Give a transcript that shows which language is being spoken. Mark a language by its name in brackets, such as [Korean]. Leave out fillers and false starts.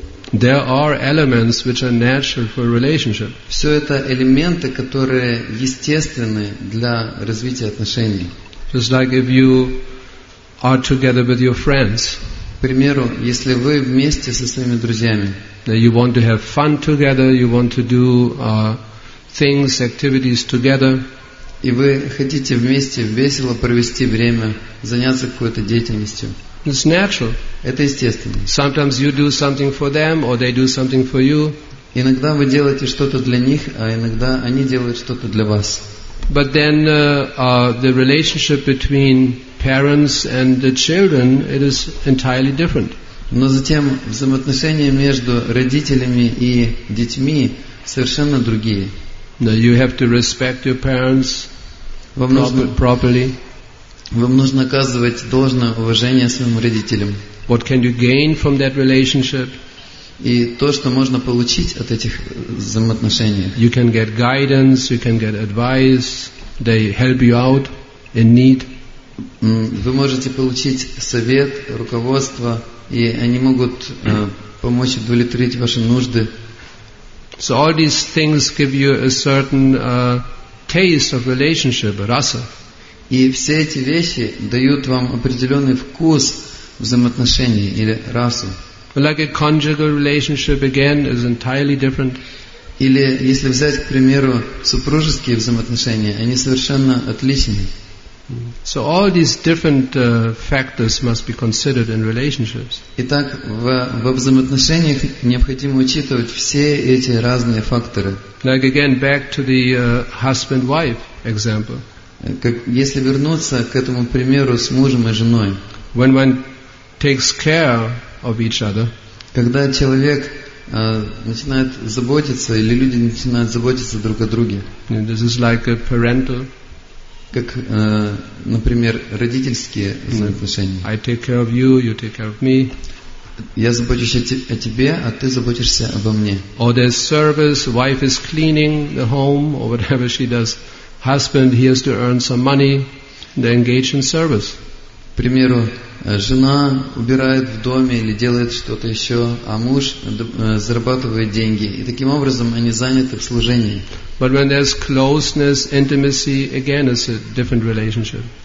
[English] There are elements which are natural for a relationship. [Russian] Все это элементы, которые естественны для развития отношений. [English] Just like if you are together with your friends. [Russian] К примеру, если вы вместе со своими друзьями, [English] you want to have fun together, you want to do things, activities together, [Russian] и вы хотите вместе весело провести время, заняться какой-то деятельностью. [English] It's natural. [Russian] Это естественно. [English] Sometimes you do something for them, or they do something for you. [Russian] Иногда вы делаете что-то для них, а иногда они делают что-то для вас. [English] But then the relationship between parents and the children, it is entirely different. [Russian] Но затем взаимоотношения между родителями и детьми совершенно другие. [English] Now you have to respect your parents properly. [Russian] Вам нужно оказывать должное уважение своим родителям. [English] What can you gain from that relationship? [Russian] И то, что можно получить от этих взаимоотношений. [English] You can get guidance, you can get advice, they help you out in need. [Russian] Вы можете получить совет, руководство, и они могут помочь удовлетворить ваши нужды. [English] So all these things give you a certain taste of relationship, rasa. [Russian] И все эти вещи дают вам определенный вкус взаимоотношений или расу. [English] Like a conjugal relationship again is entirely different. [Russian] Или если взять, к примеру, супружеские взаимоотношения, они совершенно отличны. [English] So all these different factors must be considered in relationships. [Russian] Итак, во взаимоотношениях необходимо учитывать все эти разные факторы. [English] Like again, back to the husband-wife example. [Russian] Если вернуться к этому примеру с мужем и женой. [English] When one takes care of each other. [Russian] Когда человек начинает заботиться или люди начинают заботиться друг о друге. [English] This is like a parental. [Russian] Как, например, родительские взаимоотношения. [English] I take care of you, you take care of me. [Russian] Я забочусь о тебе, а ты заботишься обо мне. [English] Or there's service, wife is cleaning the home or whatever she does. Husband, he has to earn some money, they engage in service. [Russian] К примеру, жена убирает в доме или делает что-то еще, а муж зарабатывает деньги. И таким образом они заняты в служении. [English] But when there's closeness, intimacy, again, it's a different relationship.